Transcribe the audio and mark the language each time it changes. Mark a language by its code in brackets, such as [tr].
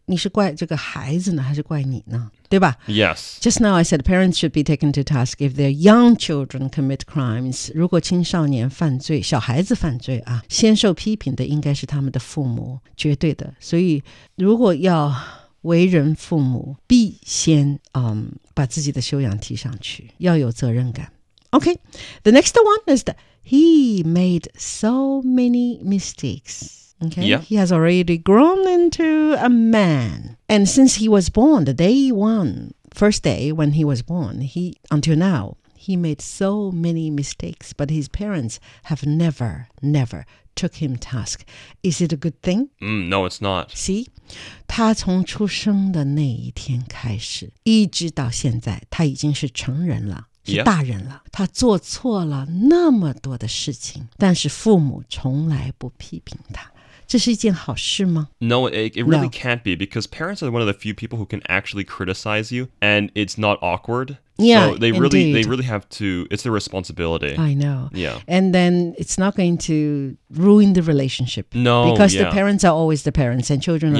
[zh] 你是怪这个孩子呢, 还是怪你呢? 对吧? [en] Yes. Just now I said parents should be taken to task if their young children commit crimes. [zh] 如果青少年犯罪,小孩子犯罪啊,先受批评的应该是他们的父母,绝对的。所以如果要为人父母,必先把自己的修养提上去,要有责任感。 [en] Okay, the next one is that he made so many mistakes. Okay, yeah. He has already grown into a man. And since he was born, the day one, first day when he was born, until now, he made so many mistakes, but his parents have never took him to task. Is it a good thing? No, it's not. See? [zh] 他从出生的那一天开始,一直到现在,他已经是成人了。是大人了、 [en] yeah. [zh] 他做错了那么多的事情但是父母从来不批评他这是一件好事吗 [en] No, it really no. can't be because parents are one of the few people who can actually criticize you and it's not awkward Yeah, so they really, indeed. They really have to, it's their responsibility. I know. Yeah. And then it's not going to ruin the relationship. No, Because yeah. the parents are always the parents and children are